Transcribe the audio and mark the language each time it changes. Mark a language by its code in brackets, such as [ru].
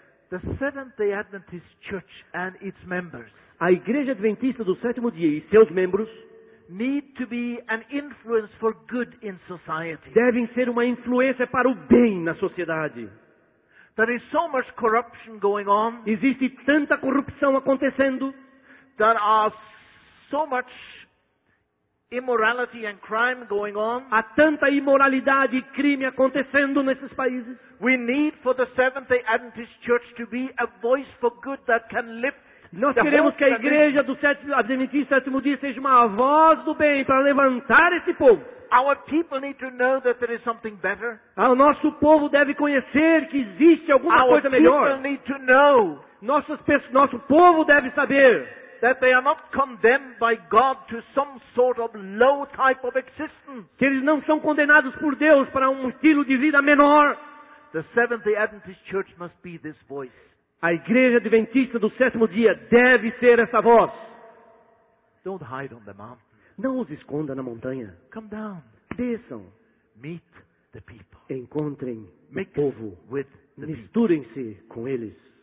[en] The Seventh-day Adventist Church and its members. [pt] A Igreja Adventista do Sétimo Dia e seus membros [en] need to be an influence for good in society. [pt] Devem ser uma influência para o bem na sociedade. [en] There is so much corruption going on. [pt] Existe tanta corrupção acontecendo. [en] There are so much immorality and crime going on. [pt] Há tanta imoralidade e crime acontecendo nesses países. [en] We need for the Seventh-day Adventist Church to be a voice for good that can lift. [pt] Nós queremos que a igreja do Adventista Sétimo Dia seja uma voz do bem para levantar esse povo. [en] Our people need to know that there is something better. [pt] O nosso povo deve conhecer que existe alguma [en] Our [pt] coisa melhor. [en] People need to know [pt] nosso povo deve saber [en] that they are not condemned by God to some sort of low type of existence. [pt] Que eles não são condenados por Deus para um estilo de vida menor. [en] The Seventh-day Adventist Church must be this voice. [pt] A Igreja Adventista do Sétimo Dia deve ser essa voz. [en] Don't hide on the mountain. [pt] Não os esconda na montanha. [en] Come down. [pt] Desçam. [en] Meet the people. [pt] Encontrem [en] Mix [pt] o povo. [en] With the [pt] Misturem-se people. Com eles.